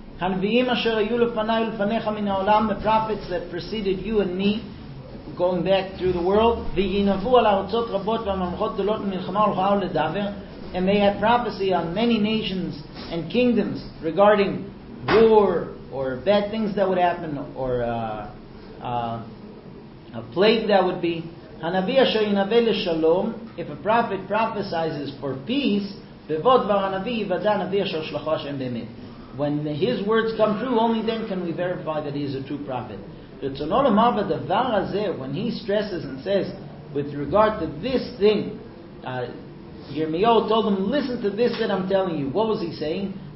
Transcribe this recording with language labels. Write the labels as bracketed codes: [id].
[he] הנביאים אשר היו לפני ולפניך מן העולם, [en] the prophets that preceded you and me, going back through the world, [he] וינבו על ארצות רבות והממלכות גדולות ממלחמה הולכה ולדבר, [en] and they had prophecy on many nations and kingdoms regarding war or bad things that would happen or a plague that would be. [he] הנביא אשר ינבא לשלום, [en] if a prophet prophesizes for peace, [he] בבוא דבר הנביא יוודא הנביא אשר שלחו השם באמת. [en] When his words come true, only then can we verify that he is a true prophet. When he stresses and says, with regard to this thing, Yirmiyahu told him, listen to this that I'm telling you. What was he saying?